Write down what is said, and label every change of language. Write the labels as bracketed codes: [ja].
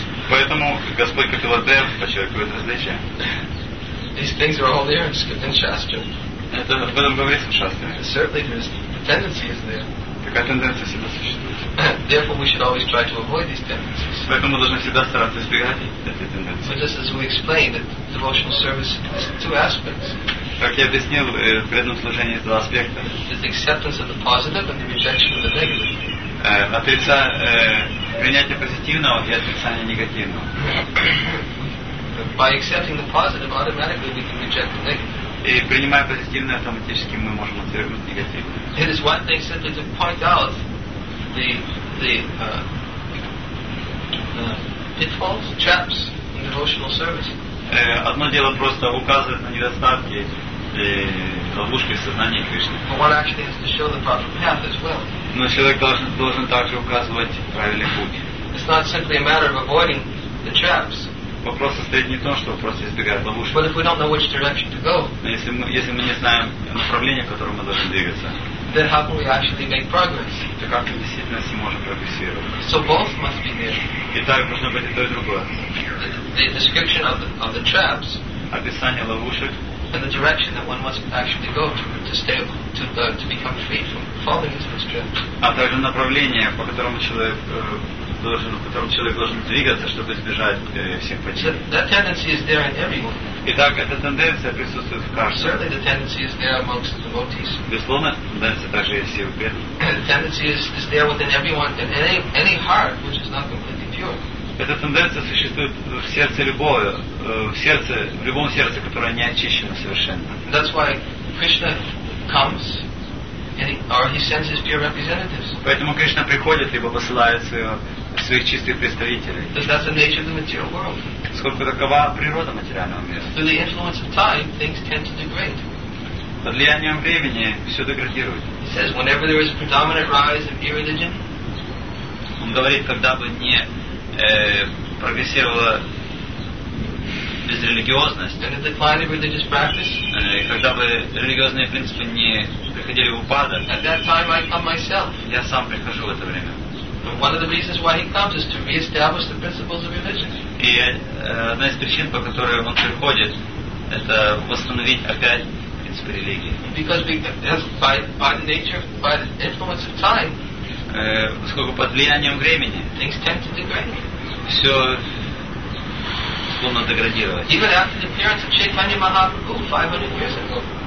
[ru] Поэтому Господь Капиладев подчеркивает различия. [en] These things are all there in Shastra. [ru] Это об этом говорится в Шастре. [en] Certainly, there's the tendency is there. [ru] Такая тенденция всегда существует. [en] Therefore, we should always try to avoid these tendencies. [ru] Поэтому должны всегда стараться избегать этой тенденции. [en] But just as we explained, that devotional service has two aspects. [ru] Как я объяснил, в преданном служении два аспекта. [en] It's acceptance of the positive and the rejection of the negative. [ru] Принятие позитивного и отрицание негативного. [en] By accepting the positive, automatically we can reject the negative. [ru] И принимая позитивное, автоматически мы можем отвергнуть негативное. [en] It is one thing simply to point out the pitfalls, traps in devotional service. [ru] Одно дело просто указывать на недостатки и ловушки в сознании Кришны. [en] But one actually has to show the proper path as well. [ru] Но человек должен также указывать правильный путь. [en] It's not simply a matter of avoiding the traps. [ru] Вопрос состоит не в том, что просто избегать ловушек. [en] But if we don't know which direction to go, [ru] если мы не знаем направление, которым мы должны двигаться, [en] then how can we actually make progress? [ru] То как мы действительно сможем прогрессировать? [en] So both must be there. [ru] И так должно быть и то, и другое. [en] The description of the traps. [ru] Описание ловушек. [en] And the direction that one must actually go to become free from falling into those traps. [ru] А также направление, по которому человек должен двигаться, чтобы избежать всех потерь. Итак, эта тенденция присутствует в каждом. [en] Certainly the tendency is there amongst the devotees. [ru] Безусловно, тенденция также есть и в преданных. [en] The tendency is there within everyone, in any heart which is not completely pure. [ru] Эта тенденция существует в сердце любого, в любом сердце, которое не очищено совершенно. [en] That's why Krishna comes. He sends his pure representatives. [ru] Поэтому Кришна приходит либо посылает своих чистых представителей. [en] Because that's the nature of the material world. [ru] Сколько такова природа материального мира. [en] Through the influence of time, things tend to degrade. [ru] Под влиянием времени все деградирует. [en] He says, whenever there is a predominant rise of irreligion. [ru] Он говорит, когда бы не прогрессировала безрелигиозность. [en] And the decline of religious practice. [ru] Когда бы религиозные принципы не приходили в упадок. [en] At that time I come myself. [ru] Я сам прихожу в это время. [en] But one of the reasons why he comes is to reestablish the principles of religion. [ru] И одна из причин, по которой он приходит, это восстановить опять принципы религии. [en] Because by the influence of time. [ru] Поскольку под влиянием времени. [en] Things tend to degrade. [ru] Все словно деградировать. [en] Even after the appearance of Chaitanya Mahaprabhu 500 years ago.